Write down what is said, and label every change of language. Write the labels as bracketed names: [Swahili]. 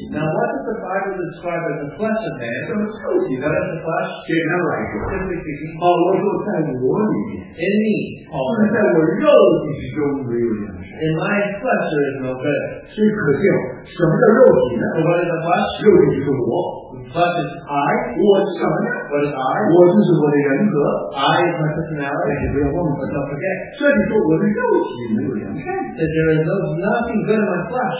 [English] Now what does the Bible describe as the flesh of man? [Chinese] 怎么肉体的？简单来说，保罗说在我里面。 [English] In me, Paul. [Chinese] 在我肉体中没有两。 [English] In my flesh there is no good. [Chinese] 所以可见，什么叫肉体呢？ [English] So what is the flesh? [Chinese] 肉体就是我。 [English] Flesh is I. [Chinese] 我是什么呢？ [English] What is I? [Chinese] 我就是我的人格。 [English] I is my personality. [Chinese] 也不要忘了。 [English] Don't forget. [Chinese] 这里说我的肉体没有良善。 [English] That there is nothing good in my flesh.